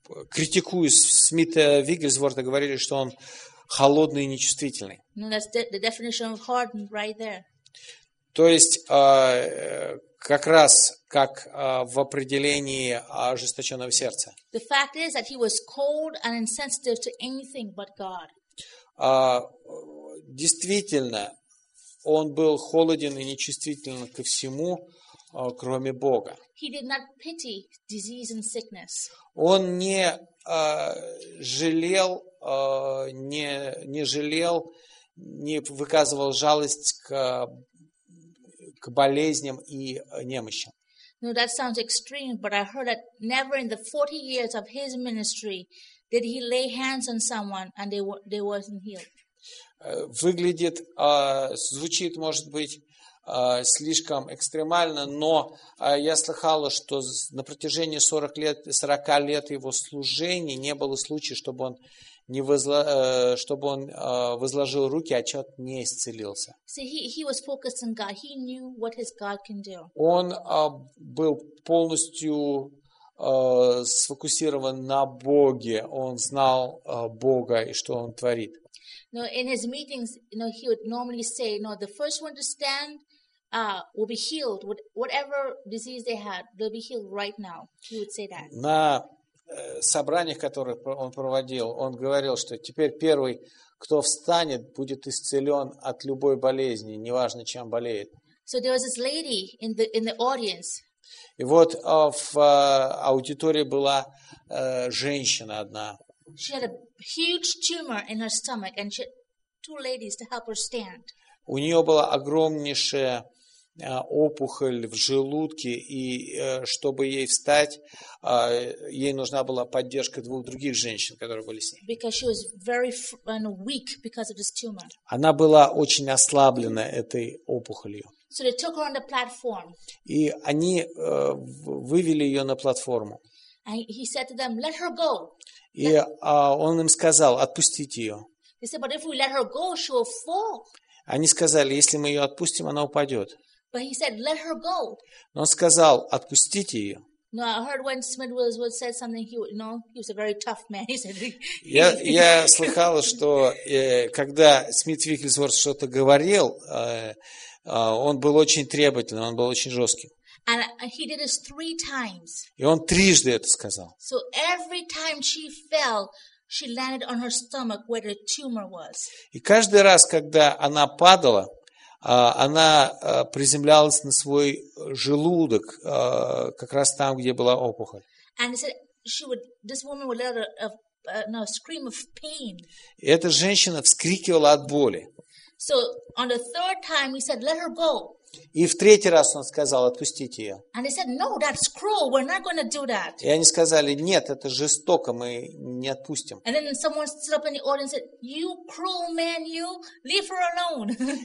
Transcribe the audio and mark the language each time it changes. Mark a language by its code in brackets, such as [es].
[ru] Критикуя Смита Вигглсворта, говорили, что он холодный и нечувствительный. [en] No, that's the definition of hardened right there. [ru] То есть, как раз как в определении ожесточенного сердца. [en] The fact is that he was cold and insensitive to anything but God. [ru] Действительно, он был холоден и нечувствителен ко всему, кроме Бога. [en] He did not pity disease and sickness. [ru] Он не жалел, не жалел, не выказывал жалость к болезням и немощам. [en] No, that sounds extreme, but I heard that never in the 40 years of his ministry did he lay hands on someone and they wasn't healed. [ru] Выглядит, звучит, может быть, слишком экстремально, но я слыхала, что на протяжении 40 лет его служения не было случая, чтобы он не возложил руки, а человек не исцелился. [en] See, he was focused on God. He knew what his God can do. [ru] Он был полностью сфокусирован на Боге. Он знал Бога и что Он творит. [en] No, in his meetings, you know, he would normally say, no, the first one to stand will be healed. Whatever disease they had, they'll be healed right now. He would say that. [ru] На собраниях, которые он проводил, он говорил, что теперь первый, кто встанет, будет исцелен от любой болезни, неважно, чем болеет. [en] So there was this lady in the audience. [ru] И вот в аудитории была женщина одна. [en] She had a huge tumor in her stomach, and she had two ladies to help her stand. [ru] У нее была огромнейшая опухоль в желудке, и чтобы ей встать, ей нужна была поддержка двух других женщин, которые были с ней. [en] Because she was very weak because of this tumor. [ru] Она была очень ослаблена этой опухолью. [en] So they took her on the platform. [ru] И они вывели ее на платформу. [en] And he said to them, "Let her go." [ru] И он им сказал, отпустите ее. [en] They said, "But if we let her go, she will fall." [ru] Они сказали, если мы ее отпустим, она упадет. [en] But he said, "Let her go." [ru] Но он сказал, отпустите ее. [en] No, I heard when Smith Wigglesworth said something. He was a very tough man. He said. [ru] Я слыхал, что когда Смит Вигглсворт что-то говорил, он был очень требовательным, он был очень жестким. [en] And he did this three times. [ru] И он трижды это сказал. [en] So every time she fell, she landed on her stomach where the tumor was. [ru] И каждый раз, когда она падала, она приземлялась на свой желудок, как раз там, где была опухоль. [en] And said she would, this woman would let a scream of pain. [ru] Эта женщина вскрикивала от боли. [en] So on the third time he said, let her go. [ru] И в третий раз он сказал, отпустите ее. [en] And he said, no, that's cruel. We're not going to do that. [ru] И они сказали, нет, это жестоко, мы не отпустим. [en] And then someone stood up in the audience and said, you cruel man, you leave her alone.